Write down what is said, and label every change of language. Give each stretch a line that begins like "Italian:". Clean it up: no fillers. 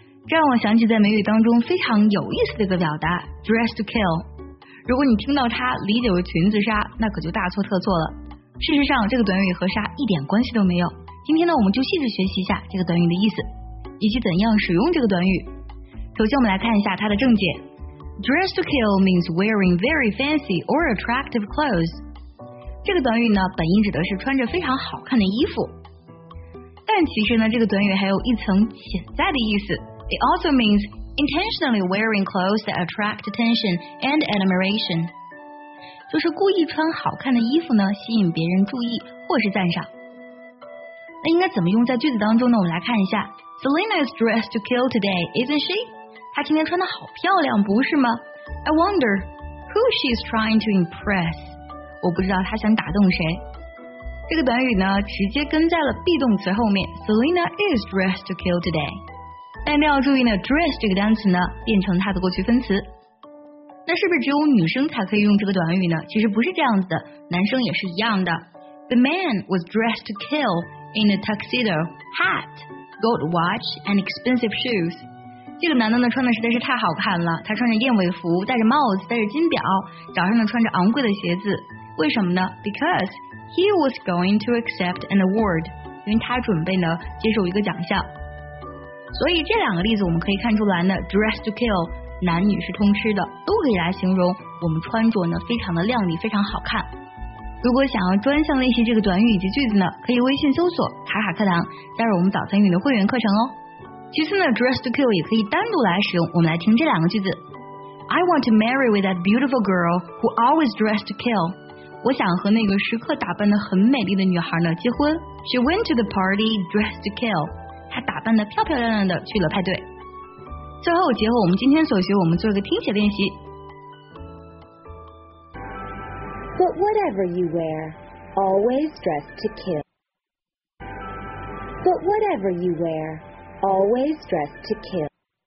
Chinese: 这让我想起在美语当中非常有意思的一个表达 ，dress to kill。如果你听到它理解为裙子杀，那可就大错特错了。事实上，这个短语和杀一点关系都没有。今天呢，我们就细致学习一下这个短语的意思，以及怎样使用这个短语。首先，我们来看一下它的正解。
English: Dress to kill means wearing very fancy or attractive clothes.
Chinese: 这个短语呢，本意指的是穿着非常好看的衣服。但其实呢，这个短语还有一层潜在的意思。
English: It also means intentionally wearing clothes that attract attention and admiration.
Chinese: 就是故意穿好看的衣服呢，吸引别人注意或是赞赏。那应该怎么用在句子当中呢？我们来看一下。
English: Selena is dressed to kill today, isn't she?
Chinese: 她今天穿得好漂亮，不是吗
English: ？I wonder who she is trying to impress.
Chinese: 我不知道她想打动谁。这个短语呢，直接跟在了 be 动词后面。
English: Selena is dressed to kill today.
Chinese: 但一定要注意呢 ，dress 这个单词呢，变成它的过去分词。那是不是只有女生才可以用这个短语呢？其实不是这样子的，男生也是一样的。
English: The man was dressed to kill in a tuxedo, hat, gold watch, and expensive shoes.
Chinese: 这个男的呢穿的实在是太好看了，他穿着燕尾服，戴着帽子，戴着金表，脚上呢穿着昂贵的鞋子，为什么呢 ？
English: Because he was going to accept an award，
Chinese: 因为他准备呢接受一个奖项。所以这两个例子我们可以看出来呢 ，dress to kill， 男女是通吃的，都可以来形容我们穿着呢非常的靓丽，非常好看。如果想要专项练习这个短语以及句子呢，可以微信搜索卡卡课堂，加入我们早餐语的会员课程哦。其次呢 ，dress to kill 也可以单独来使用。我们来听这两个句子
English: ：I want to marry with that beautiful girl who always dressed to kill.
Chinese: 我想和那个时刻打扮得很美丽的女孩呢结婚。
English: She went to the party dressed to kill.
Chinese: 她打扮得漂漂亮亮的去了派对。最后，结合我们今天所学，我们做一个听写练习。
English: But whatever you wear, always dressed to kill. But whatever you wear.Always dressed to kill.